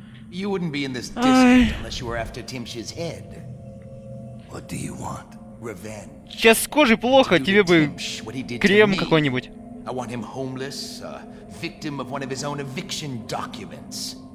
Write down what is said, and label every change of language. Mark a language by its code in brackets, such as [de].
[en] You wouldn't be in this district unless you were after Timsh's head. What do you want? Revenge. [ru] Сейчас с кожей плохо, тебе бы крем какой-нибудь. [en] I want him homeless, a victim of one of his own eviction documents.